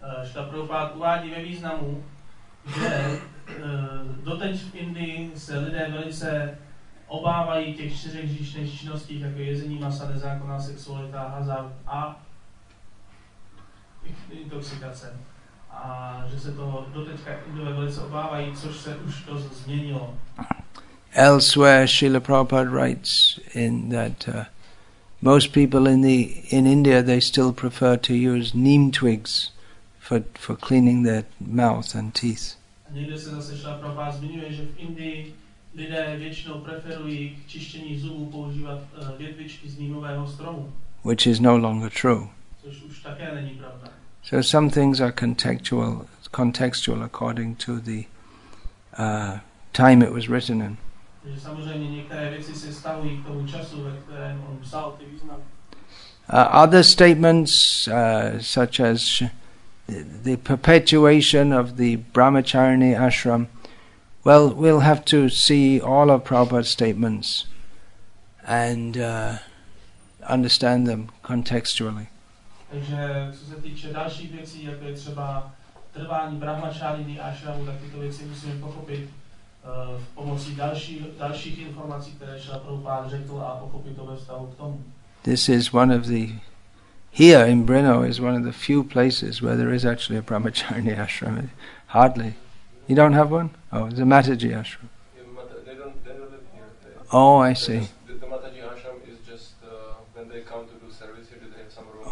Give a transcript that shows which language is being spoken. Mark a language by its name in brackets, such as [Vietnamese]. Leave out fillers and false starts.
[Czech] Šta Prabhupád uvádí ve významu, že doteď v Indii se lidé velice obávají těch čtyřech hříšných činností, jako jezení, masa, nezákonná sexualita, hazard a intoxikace. A že se toho doteďka Indové velice obávají, což se už to změnilo. [English] Elsewhere Srila Prabhupada writes in that most people in India, they still prefer to use neem twigs for cleaning their mouth and teeth. [Czech] Někde se zase Šila Prabhupáda zmiňuje, že v Indii lidé většinou preferují k čištění zubů používat větvičky z nímového stromu. [English] Which is no longer true. [Czech] Což už také není pravda. [English] So some things are contextual according to the time it was written in. [Czech] Takže samozřejmě některé věci se stavují k tomu času, ve kterém on psal ty významy. [English] Other statements such as the perpetuation of the Brahmacharini ashram, well, we'll have to see all of Prabhupada's statements and understand them contextually. [Czech] Takže co se týče dalších věcí, jako je třeba trvání Brahmacharini ashramu, tak tyto věci musíme pochopit v pomocí dalších informací, které Šila Prabhupáda řekl, a pochopit to ve vztahu k tomu. [English] This is one of the here in Brno is one of the few places where there is actually a Brahmacharini ashram. Hardly. You don't have one? Oh, it's a Mataji ashram. Yeah, they don't live here. Oh, I see. The Mataji ashram is just when they come to do service here, do they have some room?